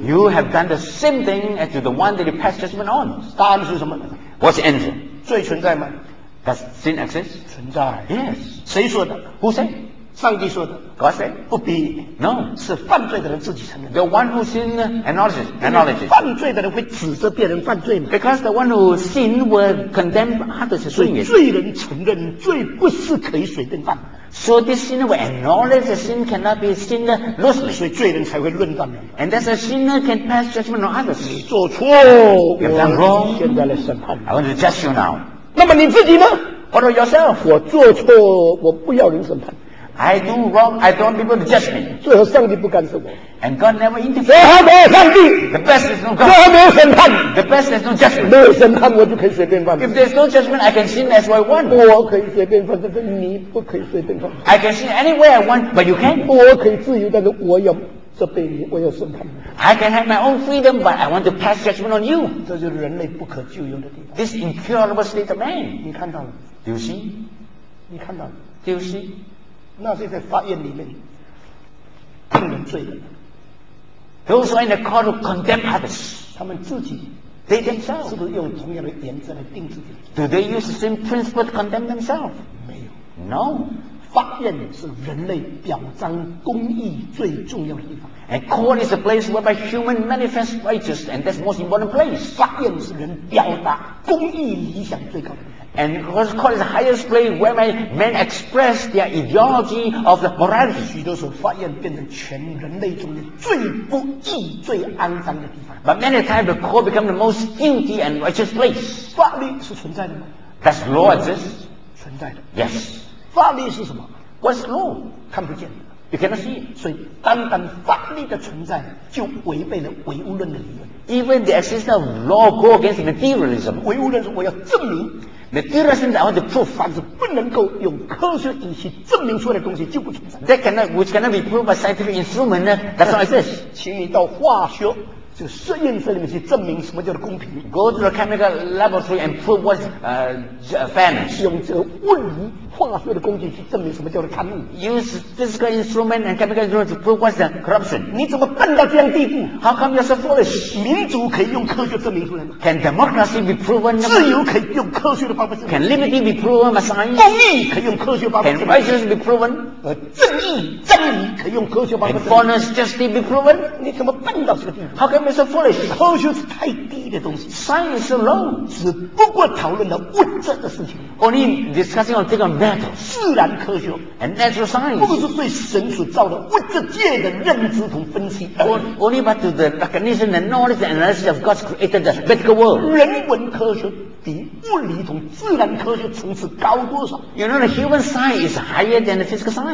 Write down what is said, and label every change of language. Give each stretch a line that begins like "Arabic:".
English: You have done the same thing as to the one that you pass judgment on.
Chinese: 答案是什么？
English: What's the answer?
Chinese: 罪存在吗？
English: Does sin exist?
Chinese: 存在。
English: Yes.
Chinese: 谁说的？
English: Who said?
Chinese: 上帝说的
English: God said,
Chinese: 不必
English: No
Chinese: 是犯罪的人自己承认
English: The one who sin acknowledges
Chinese: 犯罪的人会指责别人犯罪吗
English: Because the one who sin will condemn others to sin
Chinese: 罪人承认罪不是可以随便犯
English: So this sinner will acknowledge that sin cannot be sin loosely
Chinese: 所以罪人才会论断人
English: And that's a sinner can pass judgment on others
Chinese: 你做错
English: You've done wrong
Chinese: 现在来审判
English: I want to judge you now
Chinese: 那么你自己呢
English: What about yourself
Chinese: 我做错我不要人审判
English: I do wrong, I don't want people to judge me.
Chinese: 最后上帝不干涉我。
English: And God never interferes.
Chinese: 最后没有上帝。
English: The best is no God.
Chinese: 最后没有审判。
English: The best is no judgment.
Chinese: 没有审判我就可以随便犯。
English: If there's no judgment, I can sin as I want.
Chinese: 我可以随便犯，但是你不可以随便犯。
English: I can sin any way I want, but you can't.
Chinese: 我可以自由，但是我要责备你，我要审判你。
English: I can have my own freedom, but I want to pass judgment on you.
Chinese: 这就是人类不可救用的地方。
English: This incurable state of man.
Chinese: 你看到了。
English: Do you see?
Chinese: 你看到了。
English: Do you see?
Chinese: 那些在法院里面判人罪的
English: Those who are in the court to condemn others
Chinese: 他们自己
English: They themselves
Chinese: 是不是用同样的原则来定自己
English: Do they use the same principle to condemn themselves?
Chinese: 没有
English: No
Chinese: 法院是人类表彰公义最重要的地方
English: And court is a place whereby human manifests righteousness And that's the most important place
Chinese: 法院是人表达公义理想最高的地方
English: And what's called the highest place where men express their ideology of the morality.
Chinese: 许多时候法院变成全人类中的最不义、最肮脏的地方。
English: But many times the court becomes the most guilty and righteous place.
Chinese: 法律是存在的吗
English: ？Does law exist?
Chinese: 存在的。
English: Yes.
Chinese: 法律是什么
English: ？What's law?
Chinese: 看不见的。
English: You cannot see.
Chinese: 所以单单法律的存在就违背了唯物论的理论。
English: Even the existence of law go against materialism.
Chinese: 唯物论是我要证明。
English: The theorism that I want to prove
Chinese: 凡是不能够用科学仪器证明出来的东西就不存在
English: That cannot, which cannot be proved by scientific instrument That's not exist
Chinese: 请你到化学就实验室里面去证明什么叫做公平
English: Go to the chemical laboratory and prove what's fairness
Chinese: 用这个物理化学的工具去证明什么叫做贪污
English: Use physical instrument and chemical instrument to prove what's corruption
Chinese: 你怎么笨到这样地步
English: How come you're so foolish
Chinese: 民主可以用科学证明出来吗
English: Can democracy be proven
Chinese: 自由可以用科学的方法
English: Can liberty be proven by science
Chinese: 公义可以用科学方法
English: Can righteousness be proven
Chinese: 正义真理可以用科学方法
English: Can fairness justice be proven
Chinese: 你怎么笨到这个地步
English: How come you're so foolish
Chinese: 科学是太低的东西
English: Science is low
Chinese: 只不过讨论了物质的事情
English: Only discussing on thinking on
Chinese: 自然科学
English: and natural science
Chinese: 不是对神所造的物质界的认知和分析
English: only but to the recognition and knowledge and analysis of God's created the physical world
Chinese: 人文科学比物理同自然科学层次高多少
English: you know the human science is higher than the physical science